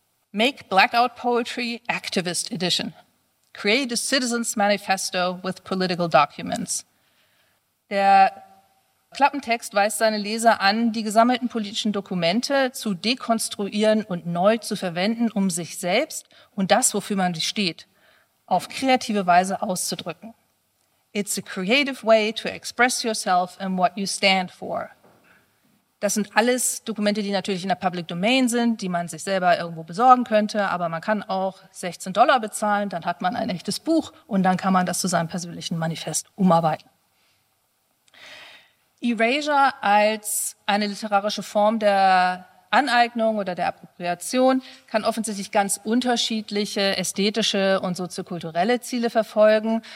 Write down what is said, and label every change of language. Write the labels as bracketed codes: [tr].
[en] Make Blackout Poetry Activist Edition. Create a Citizens Manifesto with political documents. [de] Der Klappentext weist seine Leser an, die gesammelten politischen Dokumente zu dekonstruieren und neu zu verwenden, um sich selbst und das, wofür man steht, auf kreative Weise auszudrücken. [en] It's a creative way to express yourself and what you stand for. [de] Das sind alles Dokumente, die natürlich in der Public Domain sind, die man sich selber irgendwo besorgen könnte, aber man kann auch $16 bezahlen, dann hat man ein echtes Buch und dann kann man das zu seinem persönlichen Manifest umarbeiten. Erasure als eine literarische Form der Aneignung oder der Appropriation kann offensichtlich ganz unterschiedliche ästhetische und soziokulturelle Ziele verfolgen.